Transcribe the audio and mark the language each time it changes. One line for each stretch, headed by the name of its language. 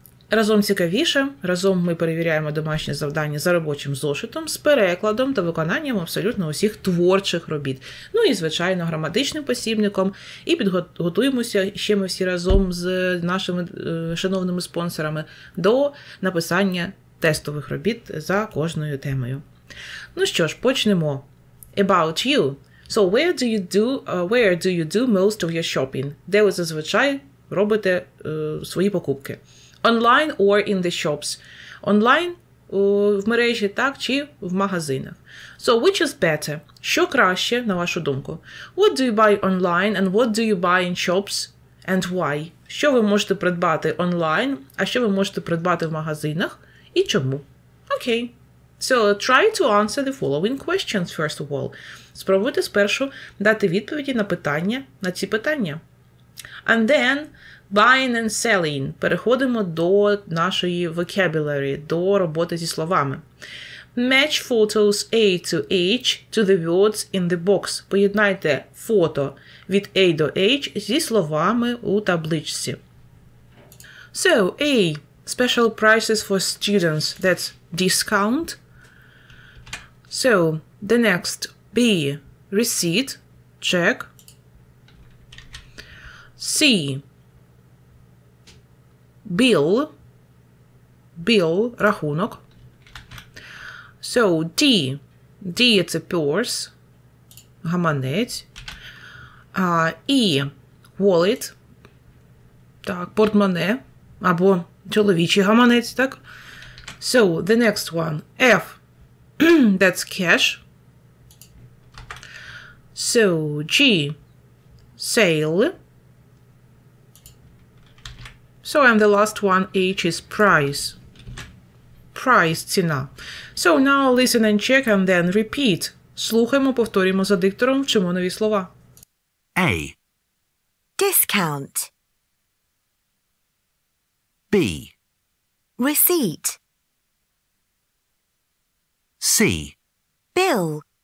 Ukrainian: Разом цікавіше, разом ми перевіряємо домашнє завдання за робочим зошитом, з перекладом та виконанням абсолютно усіх творчих робіт. Ну і, звичайно, граматичним посібником. І підготуємося, ще ми всі разом з нашими шановними спонсорами, до написання тестових робіт за кожною темою. Ну що ж, почнемо.
English: About you. So, where do you do most of your shopping?
Ukrainian: Де ви зазвичай робите свої покупки?
English: Online or in the shops? Online
Ukrainian: в мережі, так, чи в магазинах?
English: So, which is better?
Ukrainian: Що краще, на вашу думку?
English: What do you buy online and what do you buy in shops and why?
Ukrainian: Що ви можете придбати онлайн, а що ви можете придбати в магазинах і чому?
English: Okay. So, try to answer the following questions first of all.
Ukrainian: Спробуйте спершу дати відповіді на питання, на ці питання.
English: And then buying and selling.
Ukrainian: Переходимо до нашої vocabulary, до роботи зі словами.
English: Match photos A to H to the words in the box.
Ukrainian: Поєднайте фото від A до H зі словами у табличці.
English: So, A. Special prices for students. That's discount. So, the next. B. Receipt. Check. C. Bill, рахунок. So, D. D – it's a purse, гаманець.
Ukrainian: E – wallet, так, портмоне, або чоловічий гаманець, так?
English: So, the next one. F – that's cash. So, G – sale. So, and the last one, H, is price. Price, ціна. So, now listen and check and then repeat.
Ukrainian: Слухаємо, повторюємо за диктором, вчимо нові слова.
English: A. Discount. B. Receipt. C. Bill.